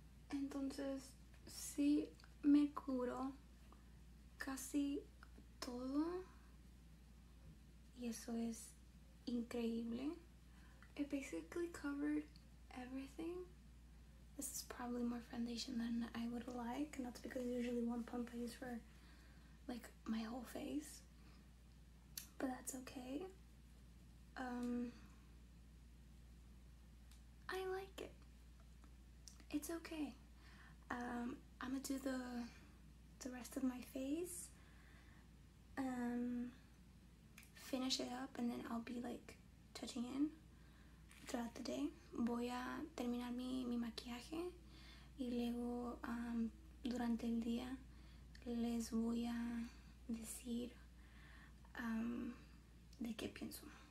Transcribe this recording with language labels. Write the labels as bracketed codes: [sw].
[es] Entonces, sí me curo casi todo y eso es increíble. [en] It basically covered everything. This is probably more foundation than I would like, and that's because usually one pump I use for like my whole face. But that's okay. I like it. It's okay. I'm gonna do the rest of my face. Finish it up, and then I'll be like touching in throughout the day. [es] Voy a terminar mi maquillaje y luego durante el día les voy a decir de qué pienso.